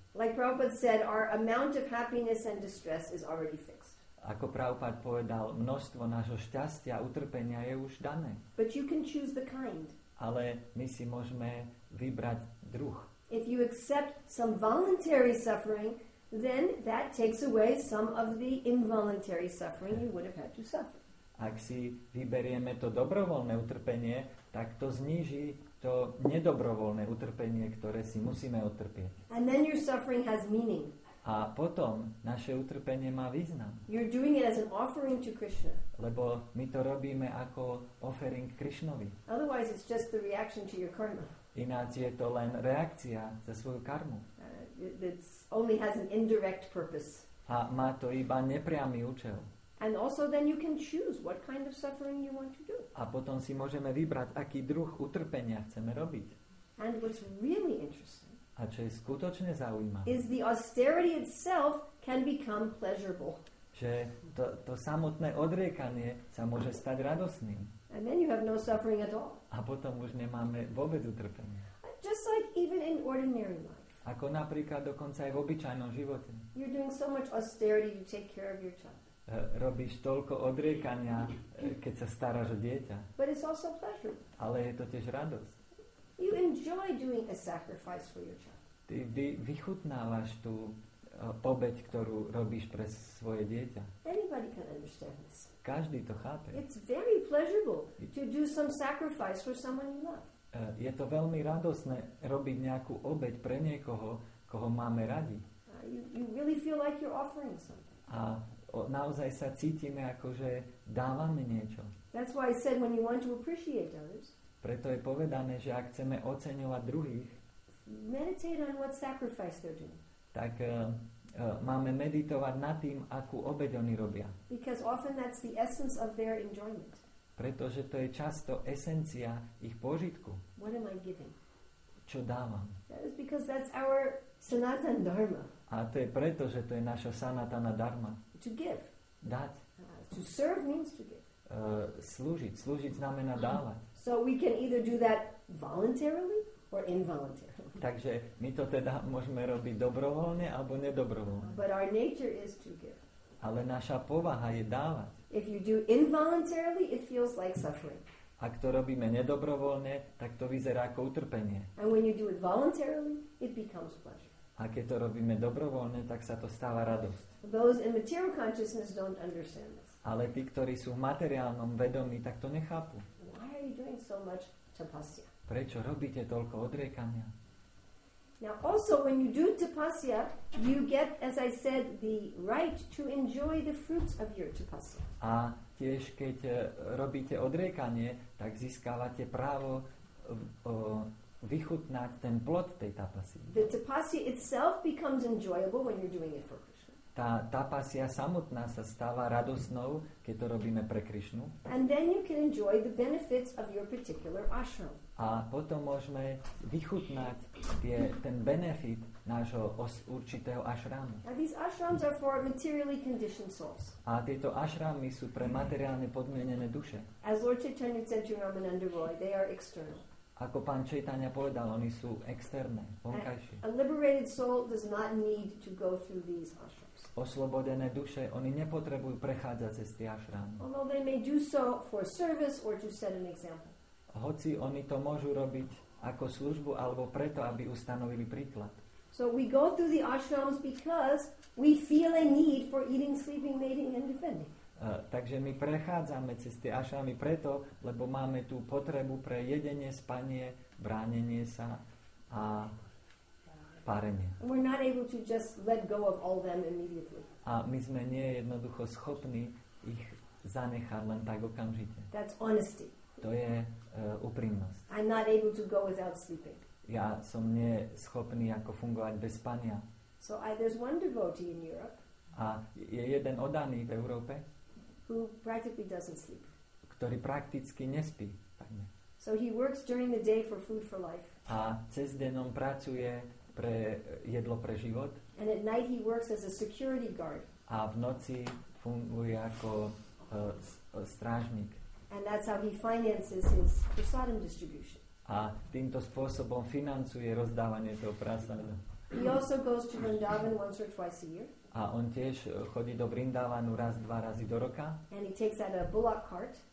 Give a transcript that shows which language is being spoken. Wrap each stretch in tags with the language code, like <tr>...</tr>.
<en>Like Prabhupada said, our amount of happiness and distress is already fixed.</en> <sk>Ako Prabhupád povedal, množstvo nášho šťastia a utrpenia je už dané.</sk> <en>But you can choose the kind.</en> <sk>Ale my si môžeme vybrať druh.</sk> <en>If you accept some voluntary suffering, then that takes away some of the involuntary suffering you would have had to suffer.</en> <sk>Ak si vyberieme to dobrovoľné utrpenie, tak to zníži to nedobrovoľné utrpenie, ktoré si musíme utrpieť.</sk> <en>And then your suffering has meaning.</en> <sk>A potom naše utrpenie má význam.</sk> <en>You're doing it as an offering to Krishna.</en> <sk>Lebo my to robíme ako offering Krishnovi.</sk> <en>Otherwise it's just the reaction to your karma.</en> <sk>Ináč je to len reakcia za svoju karmu.</sk> <en>It only has an indirect purpose.</en> <sk>A má to iba nepriamy účel.</sk> <en>And also then you can choose what kind of suffering you want to do.</en> <sk>A potom si môžeme vybrať, aký druh utrpenia chceme robiť.</sk> <en>And what's really interesting,</en> <sk>a čo je skutočne zaujímavé,</sk> <en>is the austerity itself can become pleasurable.</en> <sk>Že to samotné odriekanie sa môže stať radosným.</sk> <en>And then you have no suffering at all.</en> <sk>A potom už nemáme vôbec utrpenie.</sk> <en>Just like even in ordinary life.</en> <sk>Ako napríklad dokonca aj v obyčajnom živote.</sk> <en>You're doing so much austerity to take care of your child.</en> <sk>Robíš toľko odriekania, keď sa staráš o dieťa.</sk> <en>But it's also pleasure.</en> <sk>Ale je to tiež radosť.</sk> <en>You enjoy doing a sacrifice for your child.</en> <sk>Ty vychutnávaš tú obeť, ktorú robíš pre svoje dieťa.</sk> <en>Anybody can understand this.</en> <sk>Každý to chápe.</sk> <en>It's very pleasurable to do some sacrifice for someone you love.</en> <sk>Je to veľmi radosné robiť nejakú obeť pre niekoho, koho máme radi.</sk> <en>You really feel like you're offering something.</en> <sk>A naozaj sa cítime, akože dávame niečo.</sk> <en>That's why I said when you want to appreciate others.</en> <sk>Preto je povedané, že ak chceme oceňovať druhých,</sk> <en>meditate on what sacrifice they're doing.</en> <sk>Tak máme meditovať nad tým, akú obeť oni robia.</sk> <en>Because often that's the essence of their enjoyment.</en> <sk>Pretože to je často esencia ich požitku.</sk> <en>What am I giving?</en> <sk>Čo dávam?</sk> <en>That is because that's our sanatana dharma.</en> <sk>A to je preto, že to je naša sanatana dharma.</sk> <en>To give.</en> <sk>Dať.</sk> <en>To serve means to give.</en> <sk>Slúžiť. Slúžiť znamená dávať.</sk> <en>So we can either do that voluntarily or involuntarily.</en> <sk>Takže my to teda môžeme robiť dobrovoľne alebo nedobrovoľne.</sk> <en>But our nature is to give.</en> <sk>Ale naša povaha je dávať.</sk> <en>If you do involuntarily, it feels like suffering.</en> <sk>Ak to robíme nedobrovoľne, tak to vyzerá ako utrpenie.</sk> <en>And when you do it voluntarily, it becomes pleasure.</en> <sk>A keď to robíme dobrovoľne, tak sa to stáva radosť.</sk> <en>Those in material consciousness don't understand this.</en> <sk>Ale tí, ktorí sú v materiálnom vedomí, tak to nechápu.</sk> <en>Why are you doing so much tapasya?</en> <sk>Prečo robíte toľko odriekania?</sk> <en>Now also when you do tapasya, you get, as I said, the right to enjoy the fruits of your tapasya.</en> <sk>A tiež keď robíte odriekanie, tak získavate právo vychutnať ten plod tej tapasy.</sk> <en>The tapasya itself becomes enjoyable when you're doing it for Krishna.</en> <sk>Tá tapasya samotná sa stáva radosnou, keď to robíme pre Krishnu.</sk> <en>And then you can enjoy the benefits of your particular ashram.</en> <sk>A potom môžeme vychutnať ten benefit nášho určitého ashramu.</sk> <en>Now these ashrams are for materially conditioned souls.</en> <sk>A tieto ashramy sú pre materiálne podmienené duše.</sk> <en>As Lord Chaitanya said to Ramananda Roy, they are external.</en> <sk>Ako pán Chaitanya povedal, oni sú externé, vonkajšie.</sk> <en>A liberated soul does not need to go through these ashrams.</en> <sk>Oslobodené duše, oni nepotrebujú prechádzať cez tie ashramy.</sk> <en>Although they may do so for service or to set an example.</en> <sk>Hoci oni to môžu robiť ako službu alebo preto, aby ustanovili príklad.</sk> <en>So we go through the ashrams because we feel a need for eating, sleeping, mating and defending.</en> <sk>Takže my prechádzame cez tie ashramy preto, lebo máme tú potrebu pre jedenie, spanie, bránenie sa a párenie.</sk> <en>We're not able to just let go of all them immediately.</en> <sk>A my sme nie jednoducho schopní ich zanechať len tak okamžite.</sk> <en>That's honesty.</en> <sk>To je úprimnosť.</sk> <en>I'm not able to go without sleeping.</en> <sk>Ja som nie schopný ako fungovať bez spania.</sk> <en>So there's one devotee in Europe.</en> <sk>A je jeden oddaný v Európe.</sk> <en>Who practically doesn't sleep.</en> <sk>Ktorý prakticky nespí.</sk> <en>So he works during the day for food for life.</en> <sk>A cez deň on pracuje pre jedlo pre život.</sk> <en>And at night he works as a security guard.</en> <sk>A v noci funguje ako strážnik.</sk> <en>And that's how he finances his prasadam distribution.</en> <sk>A týmto spôsobom financuje rozdávanie toho prasada.</sk> <en>He also goes to Vrindavan once or twice a year.</en> <sk>A on tiež chodí do Vrindavanu raz, dva razy do roka.</sk> <en>And he takes out a bullock cart.</en>